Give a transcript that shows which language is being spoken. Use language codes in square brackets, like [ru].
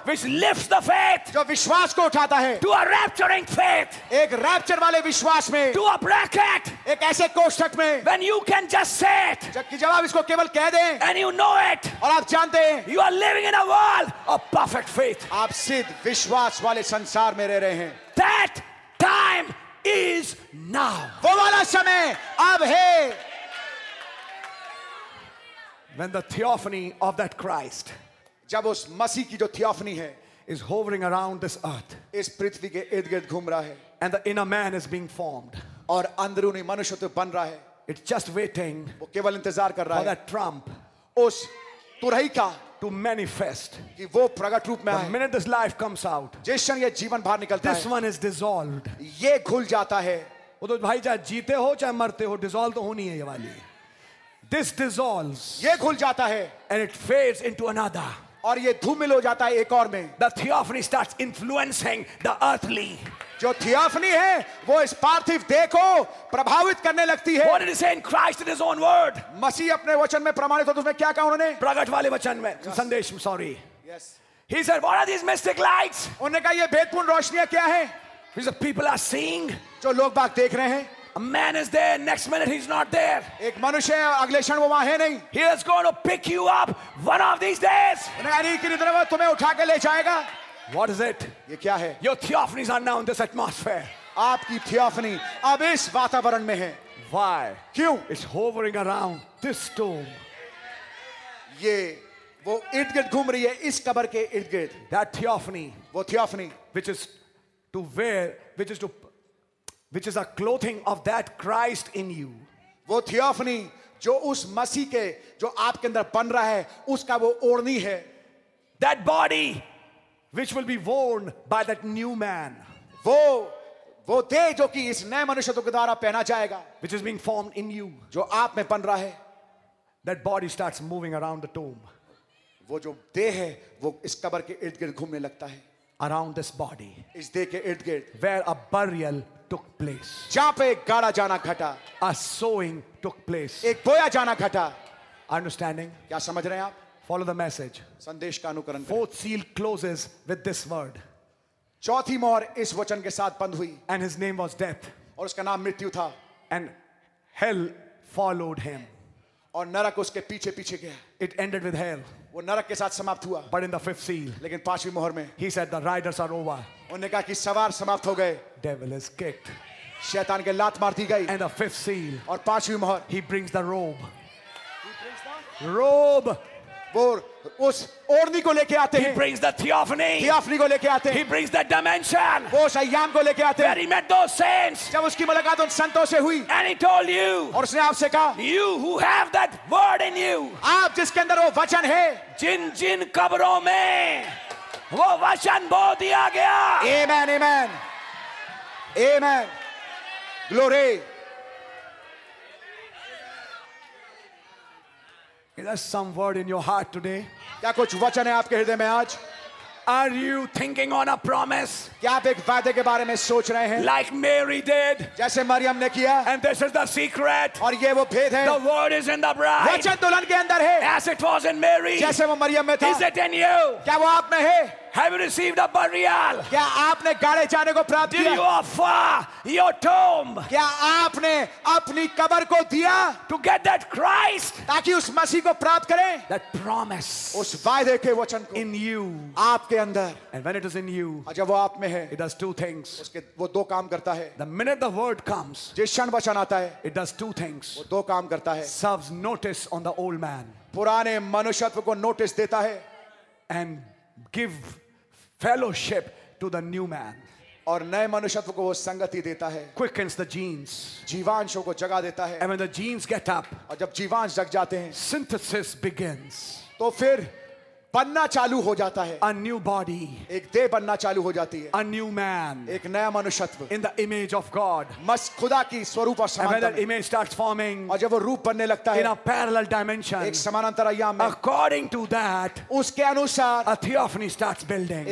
[en] which lifts the faith [hi] jo vishwas ko uthata hai [en] to a rapturing faith [hi] ek rapture wale vishwas mein [en] to a bracket [hi] ek aise koshtak mein [en] when you can just say it [hi] jab aap isko keval keh dein [en] and you know it [hi] aur aap jante hain [en] you are living in a world of perfect faith [hi] aap विश्वास वाले संसार में रह रहे हैं. [en] That time is now. [hi] वो वाला समय अब है. [en] When the theophany of that Christ, [hi] जब उस मसीह की जो थियोफनी है, [en] is hovering around this earth, [hi] इस पृथ्वी के इर्द-गिर्द घूम रहा है, [en] and the inner man is being formed, [hi] और अंदरूनी मनुष्य तो बन रहा है, [en] it's just waiting, [hi] वो केवल इंतजार कर रहा है, [en] for that trump, [hi] उस तुरही का. [en] To manifest, [hi] कि वो प्रगट रूप में आए. [en] The minute this life comes out, [hi] जिस क्षण ये जीवन बाहर निकलता है, [en] this one is dissolved. [hi] ये खुल जाता है. वो तो भाई चाहे जीते हो चाहे मरते हो, dissolve तो होनी है ये वाली. [en] This dissolves. [hi] ये खुल जाता है. [en] And it fades into another. [hi] और ये धूमिल हो जाता है एक और में. [en] The theophany starts influencing the earthly. [hi] जो थियोफनी है वो इस पार्थिव देह को प्रभावित करने लगती है. [en] What did he say in Christ in his own word? [hi] मसीह अपने वचन में प्रमाणित होता है उसमें क्या कहा उन्होंने? प्रगट वाले वचन में संदेश में sorry. [en] Yes. He said, "What are these mystic lights?" [hi] उन्होंने कहा ये भेदपूर्ण रोशनियां क्या है? [en] He said, "People are seeing." [hi] जो लोग बाग देख रहे हैं. [en] A man is there. Next minute, he's not there. [hi] एक मनुष्य है अगले क्षण वो वहाँ है नहीं. [en] He is going to pick you up one of these days. [hi] नहीं कि इधर वो तुम्हें उठा के ले जाएगा. [en] What is it? [hi] ये क्या है? [en] Your theophanies are now in this atmosphere. [hi] आपकी theophany अब इस वातावरण में है. [en] Why? [hi] क्यों? [en] It's hovering around this tomb. [hi] ये वो इर्द-गिर्द घूम रही है इस कब्र के इर्द-गिर्द. [en] That theophany. [hi] वो theophany. [en] Which is to wear, which is a clothing of that Christ in you. [hi] वो theophany जो उस मसीह के जो आपके अंदर बन रहा है उसका वो ओढ़नी है. [en] That body. Which will be worn by that new man. [hi] वो देह जो कि इस नए मनुष्य के द्वारा पहना जाएगा. [en] Which is being formed in you. [hi] जो आप में बन रहा है. [en] That body starts moving around the tomb. [hi] वो जो देह है वो इस कब्र के इर्द-गिर्द घूमने लगता है. [en] Around this body. [hi] इस देह के इर्द-गिर्द. [en] Where a burial took place. [hi] जहाँ पे एक गाड़ा जाना घटा. [en] A sowing took place. [hi] एक बोया जाना घटा. [en] Understanding? [hi] क्या समझ रहे हैं आप? [en] Follow the message. [hi] संदेश का अनुकरण. [en] Fourth seal closes with this word. [hi] चौथी मोहर इस वचन के साथ बंद हुई. [en] And his name was death. [hi] और उसका नाम मृत्यु था. [en] And hell followed him. [hi] और नरक उसके पीछे पीछे गया. [en] It ended with hell. [hi] वो नरक के साथ समाप्त हुआ. [en] But in the fifth seal. [hi] लेकिन पांचवी मोहर में. [en] He said the riders are over. [hi] उन्होंने कहा कि सवार समाप्त हो गए. [en] Devil is kicked. [hi] शैतान के लात मार दी गई. [en] And the fifth seal. [hi] और पांचवी मोहर. [en] He brings the robe. He brings the robe. [hi] वो उस ओढ़नी को लेके आते हैं. [en] He brings the theophany. [hi] theophany को लेके आते हैं. [en] He brings the dimension. [hi] वो उस आयाम को लेके आते हैं. [en] Where he met those saints. [hi] जब उसकी मुलाकात उन संतों से हुई. [en] And he told you. [hi] और उसने आपसे कहा. [en] You who have that word in you. [hi] आप जिसके अंदर वो वचन है. जिन जिन कब्रों में वो वचन बो दिया गया. [en] Amen, amen, amen. Glory. Is there some word in your heart today? [hi] क्या कुछ वचन है आपके हृदय में आज? [en] Are you thinking on a promise? [hi] क्या आप एक वादे के बारे में सोच रहे हैं? [en] Like Mary did. [hi] जैसे मरियम ने किया. [en] And this is the secret. [hi] और ये वो भेद है. [en] The word is in the bride. [hi] वचन दुल्हन के अंदर है. [en] As it was in Mary. [hi] जैसे वो मरियम में था. [en] Is it in you? [hi] क्या वो आप में है? [en] Have you received a burial? [hi] क्या आपने गाड़े जाने को प्राप्त किया? [en] Did you offer your tomb? [hi] क्या आपने अपनी कब्र को दिया? [en] To get that Christ? [hi] ताकि उस मसीह को प्राप्त करें? [en] That promise? [hi] उस वायदे के वचन को? [en] In you? [hi] आपके अंदर? [en] And when it is in you? [hi] जब वो आप में है? [en] It does two things. [hi] उसके वो दो काम करता है. [en] The minute the word comes, [hi] जिस क्षण वचन आता है, [en] it does two things. [hi] वो दो काम करता है. [en] Serves notice on the old man. [hi] पुराने मनुष्यत्व को नोटिस देता है. [en] And give fellowship to the new man. [hi] और नए मनुष्यत्व को वो संगति देता है. [en] Quickens the genes. [hi] जीवांशों को जगा देता है. [en] And when the genes get up, [hi] और जब जीवांश जग जाते हैं, [en] synthesis begins. [hi] तो फिर बनना चालू हो जाता है. [en] A new body. [hi] एक देह बनना चालू हो जाती है. [en] A new man. [hi] एक नया मनुष्यत्व. [en] In the image of God. [hi] मस खुदा की स्वरूप और समानता. [en] And when the image starts forming. [hi] और जब वो रूप बनने लगता है. [en] In a parallel dimension. [hi] एक समानांतर आयाम में. [en] According to that. [hi] उसके अनुसार. [en] A theophany starts building.